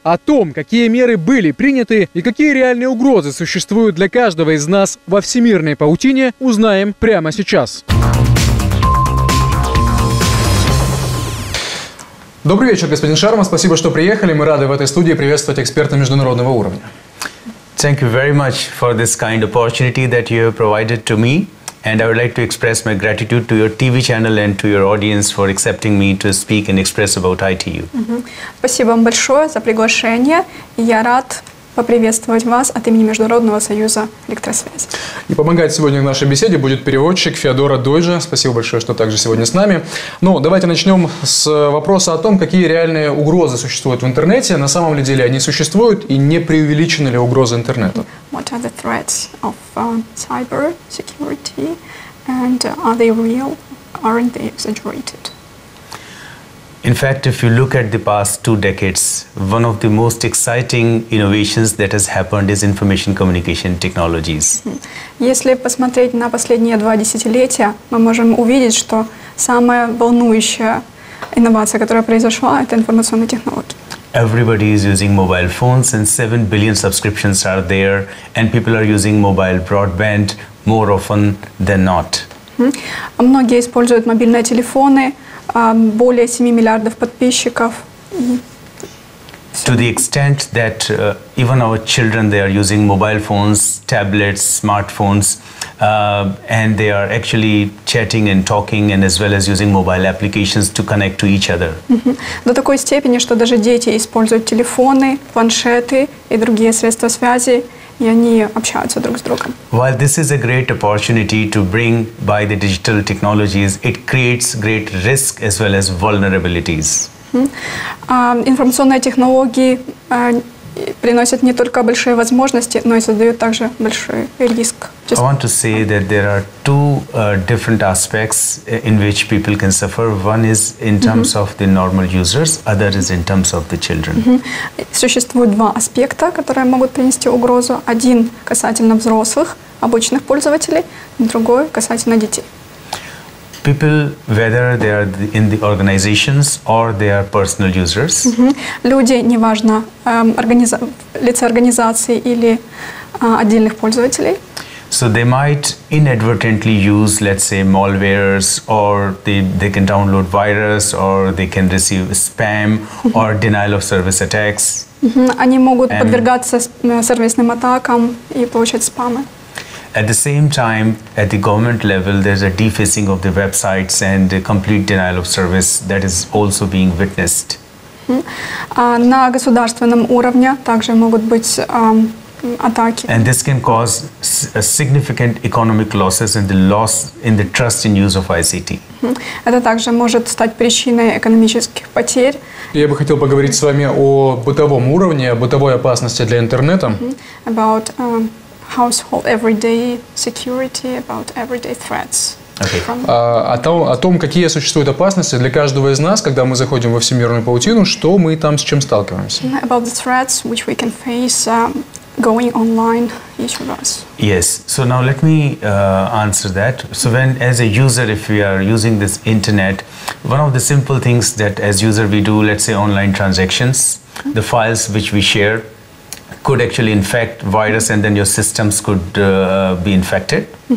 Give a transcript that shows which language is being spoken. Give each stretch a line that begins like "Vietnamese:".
Russian: О том, какие меры были приняты и какие реальные угрозы существуют для каждого из нас во всемирной паутине, узнаем прямо сейчас. Добрый вечер, господин Шарма. Спасибо, что приехали. Мы рады в этой студии приветствовать эксперта международного уровня.
English: Thank you very much for this kind opportunity that you have provided to me, and I would like to express my gratitude to your TV channel and to your audience for accepting me to speak and express about ITU.
Russian: Спасибо вам большое за приглашение. Я рад поприветствовать вас от имени Международного союза электросвязи. И помогать сегодня в нашей беседе будет переводчик Феодора Дойжа. Спасибо большое, что также сегодня с нами. Ну, давайте начнем с вопроса о том, какие реальные угрозы существуют в интернете. На самом ли деле они существуют и не преувеличены ли угрозы интернета?
English: What are the threats of cyber security and are they real? Aren't they exaggerated? In fact, if you look at the past two decades, one of the most exciting innovations that has happened is information communication technologies.
Russian: Если посмотреть на последние два десятилетия, мы можем увидеть, что самая волнующая инновация, которая произошла, это информационные технологии.
English: Everybody is using mobile phones and 7 billion subscriptions are there, and people are using mobile broadband more often than not.
Russian: Многие используют мобильные телефоны, более 7 миллиардов подписчиков.
English: To the extent that even our children, they are using mobile phones, tablets, smartphones, and they are actually chatting and talking and as well as using mobile applications to connect to each other.
Russian: До такой степени, что даже дети используют телефоны, планшеты и другие средства связи, и они общаются друг с другом.
English: While this is a great opportunity to bring by the digital technologies, it creates great risk as well as vulnerabilities.
Russian: Информационные технологии приносят не только большие возможности, но и создают также большой риск.
English: I want to say that there are two different aspects in which people can suffer. One is in terms of the normal users, other is in terms of the children.
Russian: Существует два аспекта, которые могут принести угрозу. Один касательно взрослых, обычных пользователей, другой касательно детей.
English: People, whether they are in the organizations or they are personal users.
Russian: Люди, неважно, лица организации или отдельных пользователей.
English: So they might inadvertently use, let's say, malwares, or they can download virus, or they can receive spam or denial of service attacks.
Russian: Они могут подвергаться сервисным атакам и получать спамы.
English: At the same time, at the government level, there's a defacing of the websites and a complete denial of service that is also being witnessed.
Russian: На государственном уровне также могут быть атаки.
English: And this can cause significant economic losses and the loss in the trust in use of ICT.
Russian: Это также может стать причиной экономических потерь. Я бы хотел поговорить с вами о бытовом уровне, о бытовой опасности для интернета.
English: About household everyday security, about everyday threats. Okay.
Russian: О том, какие существуют опасности для каждого из нас, когда мы заходим во всемирную паутину, что мы там с чем сталкиваемся?
English: About the threats which we can face going online, each of us. Yes. So now let me answer that. So when, as a user, if we are using this internet, one of the simple things that as user we do, let's say online transactions, the files which we share, could actually infect virus, and then your systems could be infected.